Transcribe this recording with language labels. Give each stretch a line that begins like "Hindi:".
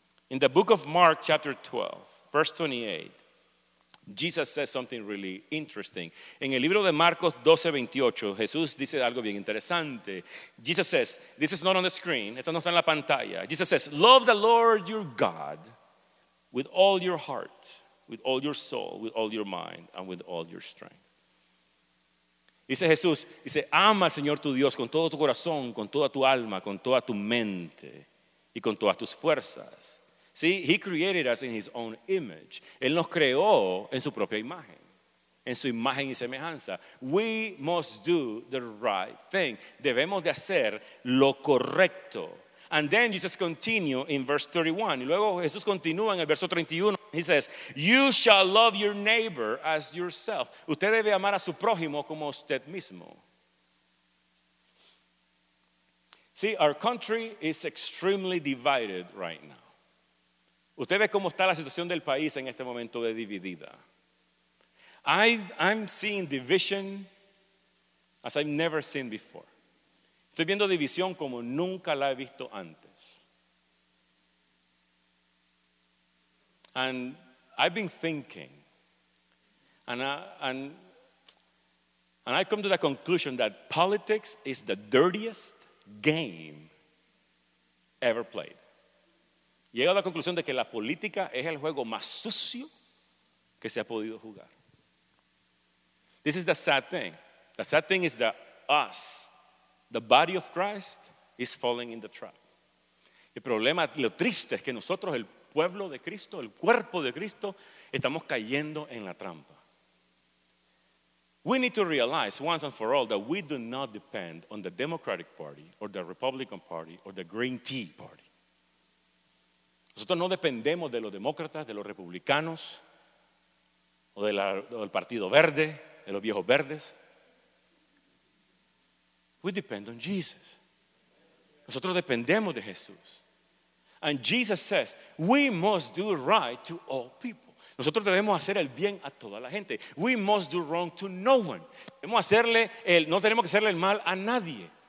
English: In the book of Mark, chapter 12, verse 28, Jesus says something really interesting.
Spanish: En el libro de Marcos 12:28, Jesús dice algo bien interesante.
English: Jesus says, this is not on the screen,
Spanish: esto no está en la pantalla.
English: Jesus says, love the Lord your God with all your heart, with all your soul, with all your mind, and with all your strength.
Spanish: Dice Jesús, dice, ama al Señor tu Dios con todo tu corazón, con toda tu alma, con toda tu mente, y con todas tus fuerzas.
English: See, he created us in his own image.
Spanish: Él nos creó en su propia imagen. En su imagen y semejanza.
English: We must do the right thing.
Spanish: Debemos de hacer lo correcto.
English: And then Jesus continue in verse 31.
Spanish: Y luego Jesús continúa en el verso 31.
English: He says, you shall love your neighbor as yourself.
Spanish: Usted debe amar a su prójimo como usted mismo.
English: See, our country is extremely divided right now.
Spanish: Usted ve cómo está la situación del país en este momento de dividida.
English: I'm seeing division as I've never seen before.
Spanish: Estoy viendo división como nunca la he visto antes.
English: And I've been thinking, and I come to the conclusion that politics is the dirtiest game ever played.
Spanish: Llego a la conclusión de que la política es el juego más sucio que se ha podido jugar.
English: This is the sad thing. The sad thing is that us, the body of Christ, is falling in the trap.
Spanish: El problema, lo triste, es que nosotros, el pueblo de Cristo, el cuerpo de Cristo, estamos cayendo en la trampa.
English: We need to realize once and for all that we do not depend on the Democratic Party or the Republican Party or the Green Tea Party.
Spanish: Nosotros no dependemos de los demócratas, de los republicanos, o del Partido Verde, de los viejos verdes.
English: We depend on Jesus.
Spanish: Nosotros dependemos de Jesús.
English: And Jesus says, we must do right to all people.
Spanish: Nosotros debemos hacer el bien a toda la gente.
English: We must do wrong to no one.
Spanish: Debemos hacerle el, no tenemos que hacerle el mal a nadie.